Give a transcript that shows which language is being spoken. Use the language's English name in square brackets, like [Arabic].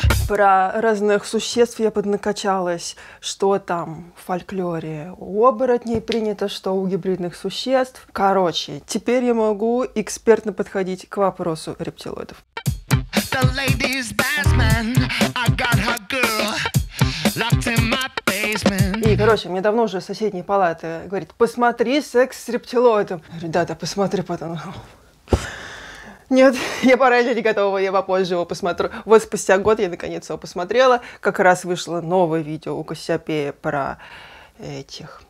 [Russian] Про разных существ я поднакачалась, что там в фольклоре у оборотней принято, что у гибридных существ. Короче, теперь я могу экспертно подходить к вопросу рептилоидов. [English] The lady's best man. I got her girl locked in my basement. [Russian] И, короче, мне давно уже соседняя палата говорит: посмотри секс с рептилоидом. Я говорю: да, посмотри потом. Нет, я пораньше не готова, я попозже его посмотрю. Вот спустя год я наконец его посмотрела. Как раз вышло новое видео у Кассиопеи про этих.